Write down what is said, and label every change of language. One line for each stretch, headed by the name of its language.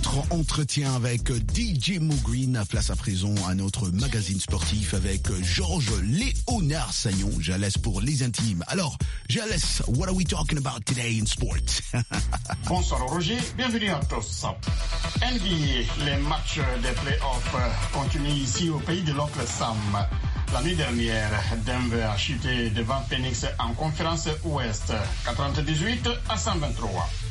French: Entretien avec DJ Mo Green, place à présent à notre magazine sportif avec Georges Léonard Sagnon. J'allais pour les intimes.
English: Alors, Jales, what are we talking about today in sports?
French: Bonsoir Roger, bienvenue à tous. NBA, les matchs des playoffs continuent ici au pays de l'Oncle Sam. La nuit dernière, Denver a chuté devant Phoenix en conférence ouest, 98 à 123.